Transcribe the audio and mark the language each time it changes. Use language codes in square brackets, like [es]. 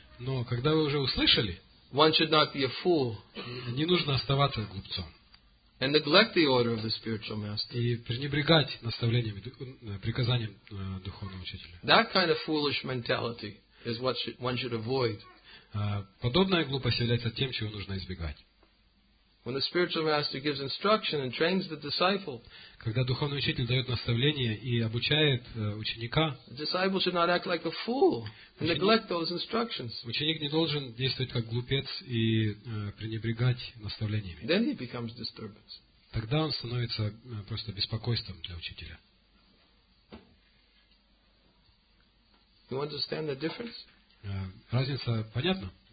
[ru] но когда вы уже услышали, [en] one should not be a fool. [ru] Не нужно оставаться глупцом. [en] And neglect the order of the spiritual master. [ru] И пренебрегать наставлениями, приказанием духовного учителя. [en] That kind of foolish mentality is what one should avoid. [ru] Подобная глупость является тем, чего нужно избегать. [en] When the spiritual master gives instruction and trains the disciple, [ru] когда духовный учитель дает наставление и обучает ученика, [en] the disciple should not act like a fool and neglect those instructions. [ru] Ученик не должен действовать как глупец и пренебрегать наставлениями. [en] Then he becomes disturbance. [ru] Тогда он становится просто беспокойством для учителя. [en] You understand the difference? [ru] Разница понятна?